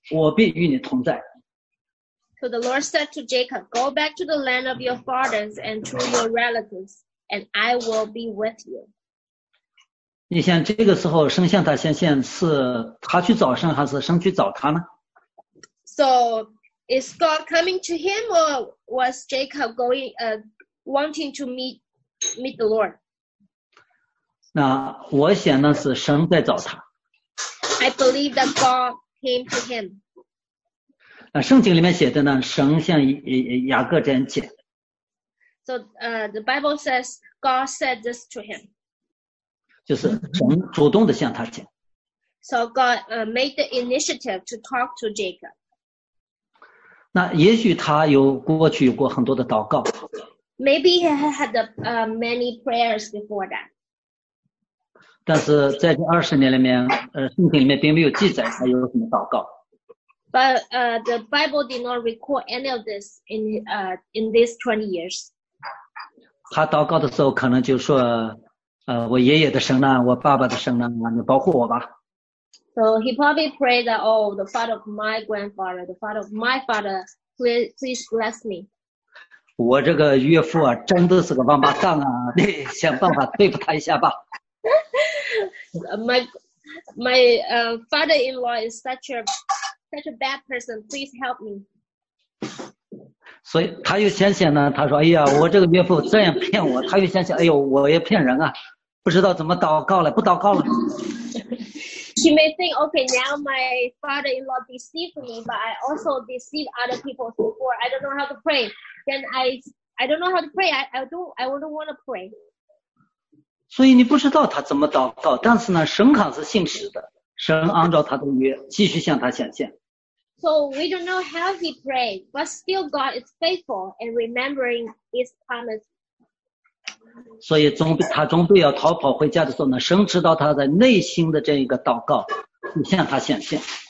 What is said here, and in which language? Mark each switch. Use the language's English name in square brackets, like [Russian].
[English] chapter 31, verse 3, God appeared to him again. So the Lord said to Jacob, go back to the land of your fathers and to your relatives, and I will be with you. [Chinese] 你想这个时候神向他显现是他去找神还是神去找他呢？ [English] So,Is God coming to him, or was Jacob going, wanting to meet the Lord? [Chinese] 那我想呢是神在找他。 [English] I believe that God came to him. [Chinese] 那圣经里面写的呢，神向雅各这样讲。 [English] So, the Bible says God said this to him. [Chinese] 就是神主动的向他讲。 [English] So God made the initiative to talk to Jacob. [Chinese] 那也许他有过去有过很多的祷告。 [English] Maybe he had many prayers before that. [Chinese] 但是在这20年里面，圣经里面并没有记载他有什么祷告。 [English] But the Bible did not record any of this in these 20 years. [Chinese] 他祷告的时候可能就说，我爷爷的神呢，我爸爸的神呢，你保护我吧。 [English] So he probably prayed that, oh, the father of my grandfather, the father of my father, please bless me. [Chinese] 我这个岳父啊，真的是个王八蛋啊！你想办法对付他一下吧。 [English] My father-in-law is such a bad person. Please help me. [Chinese] 所以他又想想呢，他说：“哎呀，我这个岳父这样骗我。” 他又想想：“哎呦，我也骗人啊，不知道怎么祷告了，不祷告了。” [English] she may think, okay, now my father-in-law deceived me, but I also deceive other people before. I don't know how to pray. Then I don't know how to pray. I don't want to pray. [Chinese] 所以你不知道他怎么祷告，但是呢，神可是信实的，神按照他的约继续向他显现。 [English] So we don't know how he prayed, but still God is faithful and remembering his promise. [Chinese] 所以他终必要逃跑回家的时候呢，神知道他在内心的这一个祷告，向他显现。